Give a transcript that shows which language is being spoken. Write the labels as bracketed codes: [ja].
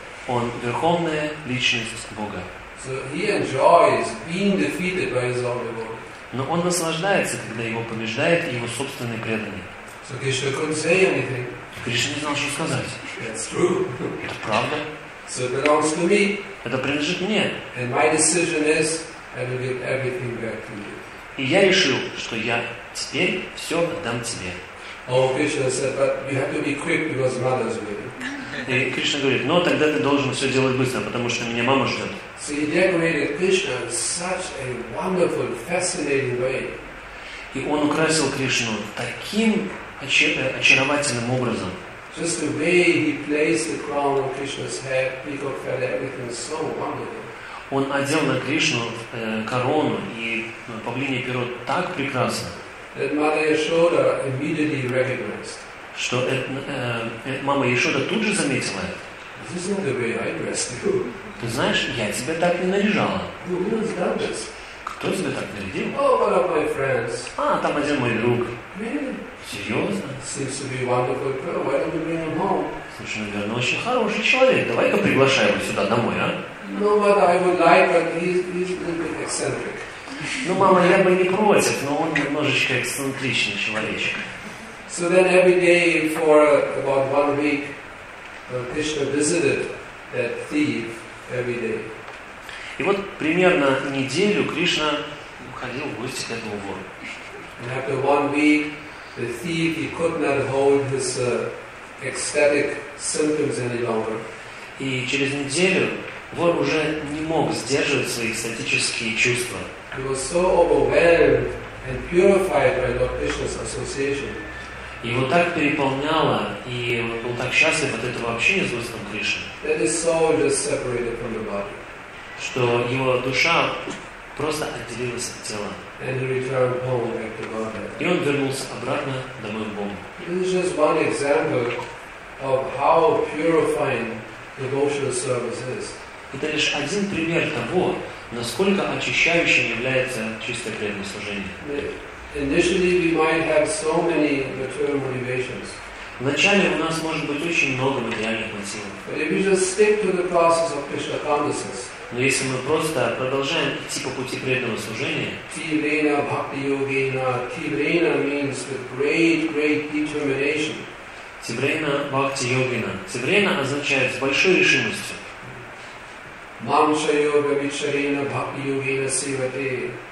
[ru] Он верховная личность Бога. [en] So he enjoys being defeated by his own devotees. [ru] Но он наслаждается, когда его побеждает его собственный преданный. [en] So Krishna couldn't say anything. [ru] Кришна не знал, что сказать. [en] That's true. [ru] Это правда. [en] So it belongs to me. [ru] Это принадлежит мне. [en] And my decision is, I will give everything back to you. [ru] И я решил, что я теперь все отдам тебе. [en] Oh, Krishna said, but you have to be quick because mother is waiting. [ru] И Кришна говорит, ну тогда ты должен все делать быстро, потому что меня мама ждет. [en] So he decorated Krishna in such a wonderful, fascinating way. [ru] И он украсил Кришну таким очаровательным образом. [en] Just the way he placed the crown on Krishna's head, peacock feather, everything is so wonderful. [ru] Он одел на Кришну корону и павлинье перо так прекрасно. [en] That Mother Yashoda immediately recognized. [ru] Что мама Яшода тут же заметила это. [en] This is the way I dress you. [ru] Ты знаешь, я тебя так не наряжала. [en] Who has done this? [ru] Кто тебя так нарядил? [en] Oh, one of my friends. [ru] А, там один мой друг. [en] Really? [ru] Серьезно? [en] Seems to be a wonderful girl. Why don't you bring him home? [ru] Совершенно верно. Очень хороший человек. Давай-ка приглашаем его сюда домой, а? [en] No, but I would like, but he's a little bit eccentric. [ru] Ну, мама, я бы не против, но он немножечко эксцентричный человечек. [en] So then every day for about one week, Krishna visited that thief every day. [ru] И вот примерно неделю Кришна ходил в гости к этому вору. [en] And after one week, the thief, he could not hold his ecstatic symptoms any longer. [ru] И через неделю вор уже не мог сдерживать свои экстатические чувства. [en] He was so overwhelmed and purified by Lord Krishna's association. [ru] Его так переполняло, и он был так счастлив от этого общения с Господом Кришной, что его душа просто отделилась от тела. И он вернулся обратно домой к Богу. [en] This is just one example of how purifying devotional service is. [ru] Это лишь один пример того, насколько очищающим является чистое преданное служение. [en] Initially, we might have so many material motivations. [ru] Вначале у нас может быть очень много материальных мотивов. [en] But if we just stick to the process of Krishna consciousness. [ru] Но если мы просто продолжаем идти по пути преданного служения. [sa] Tivrena bhakti yogena. [en] Tivrena means with great, great determination. [sa] Tivrena bhakti yogena. [ru] Tivrena означает с большой решимостью. [sa] Mamsha yoga vicharena bhakti yogena sivate.